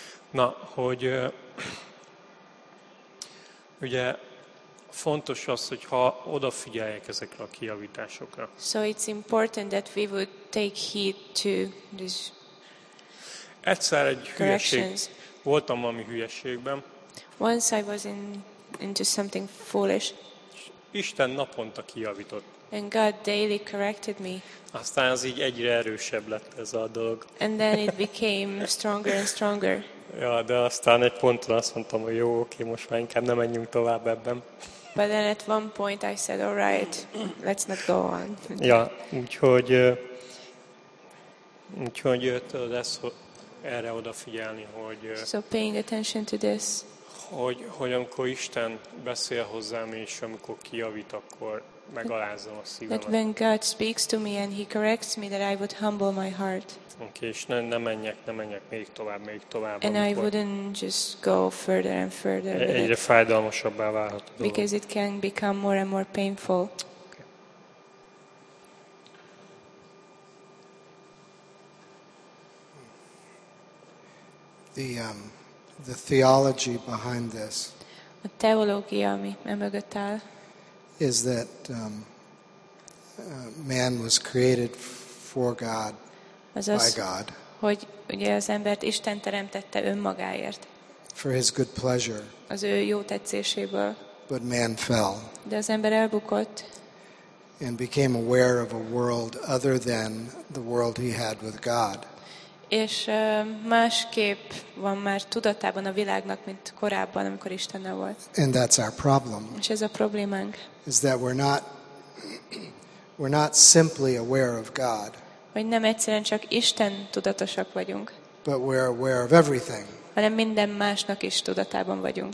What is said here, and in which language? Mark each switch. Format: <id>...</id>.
<hu>Na, hogy ugye fontos az, hogy ha odafigyeljek ezekre a kijavításokra.</hu> <en>So it's important that we would take heed to this.</en> <hu>Egyszer egy hülyeség. Voltam valami hülyeségben.</hu> <en>Once I was into something foolish.</en> <hu>Isten naponta kijavított.</hu> <en>And God daily corrected me.</en> <hu>Aztán az így egyre erősebb lett ez a dolog.</hu> <en>And then it became stronger and stronger.</en> <hu>Ja, de aztán egy ponton azt mondtam, hogy jó, oké, most már inkább nem menjünk tovább ebben.</hu> <en>But then at one point I said, all right, let's not go on.</en> <hu>Ja, úgyhogy jött lesz erre odafigyelni, hogy...</hu> <en>So paying attention to this.</en> <hu>Hogy amikor Isten beszél hozzám, és amikor kijavít, akkor megalázom a szívemet.</hu> <en>That when God speaks to me and he corrects me, that I would humble my heart.</en> <hu>Okay, és ne menjek még tovább.</hu> <en>And I wouldn't just go further and further.</en> <hu>Egyre fájdalmasabbá válhat a dolog.</hu> <en>Because it can become more and more painful. Okay. The theology behind this.</en> <hu>A teológia, ami emögött áll.</hu> <en>Is that man was created for God,</en> <hu>azaz,</hu> <en>by God.</en> <hu>Hogy ugye az embert Isten teremtette önmagáért.</hu> <en>For his good pleasure.</en> <hu>Az ő jó tetszéséből.</hu> <en>But man fell.</en> <hu>De az ember elbukott.</hu> <en>And became aware of a world other than the world he had with God.</en> <hu>És másképp van már tudatában a világnak, mint korábban, amikor Istennel volt.</hu> <en>And that's our problem.</en> <hu>És ez a problémánk.</hu> <en>Is that we're not simply aware of God.</en> <hu>Hogy nem egyszerűen csak Isten tudatosak vagyunk.</hu> <en>But we're aware of everything.</en> <hu>Hanem minden másnak is tudatában vagyunk.</hu>